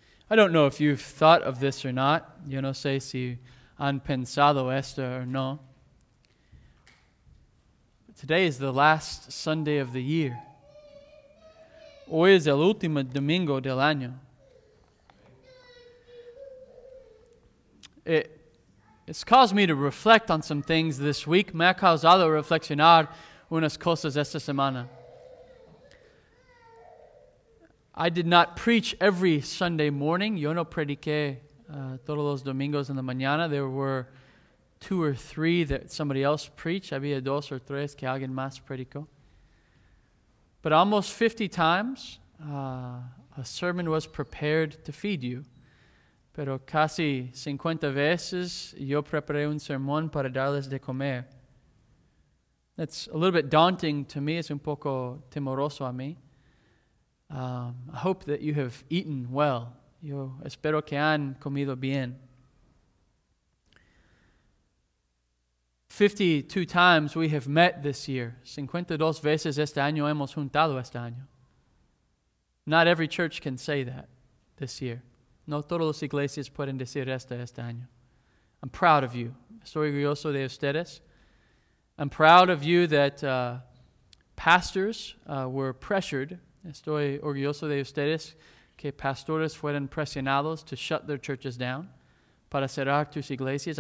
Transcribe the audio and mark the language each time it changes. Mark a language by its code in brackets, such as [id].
[en] I don't know if you've thought of this or not. [es] Yo no sé si han pensado esto o no. [en] But today is the last Sunday of the year. [es] Hoy es el último domingo del año. [en] It's caused me to reflect on some things this week. [es] Me ha causado reflexionar unas cosas esta semana. [en] I did not preach every Sunday morning. [es] Yo no prediqué todos los domingos en la mañana. [en] There were two or three that somebody else preached. [es] Había dos o tres que alguien más predicó. [en] But almost 50 times, a sermon was prepared to feed you. [es] Pero casi 50 veces yo preparé un sermón para darles de comer. [en] That's a little bit daunting to me. [es] Es un poco temeroso a mí. [en] I hope that you have eaten well. [es] Yo espero que han comido bien. [en] 52 times we have met this year. [es] 52 veces este año hemos juntado este año. [en] Not every church can say that this year. [es] No todas las iglesias pueden decir esto este año. [en] I'm proud of you. [es] Estoy orgulloso de ustedes. [en] I'm proud of you that pastors were pressured. [es] Estoy orgulloso de ustedes que pastores fueron presionados [en] to shut their churches down [es] para cerrar tus iglesias.